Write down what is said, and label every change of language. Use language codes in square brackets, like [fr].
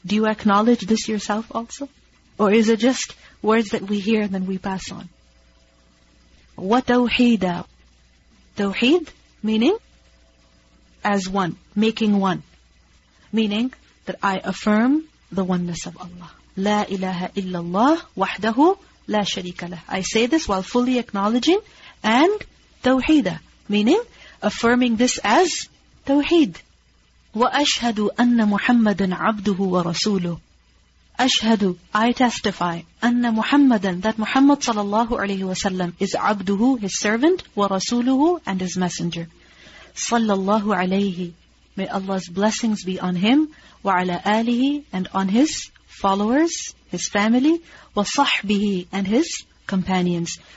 [en] Do you acknowledge this yourself also? Or is it just words that we hear and then we pass on? [ar] وَتَوْحِيدَ. [en] Tawheed, meaning as one, making one. Meaning that I affirm the oneness of Allah. [ar] لا إله إلا الله وحده لا شريك له. [en] I say this while fully acknowledging, and توحيدا, meaning affirming this as توحيد. [ar] وأشهد أن محمدا عبده ورسوله. [en] أشهد, I testify, أن محمدا, that Muhammad [ar] صلى الله عليه وسلم [en] is عبده, his servant, ورسوله, and his messenger. [ar] صلى الله عليه, [en] may Allah's blessings be on him, وعلى آله, and on his followers, his family, وصحبه, and his companions.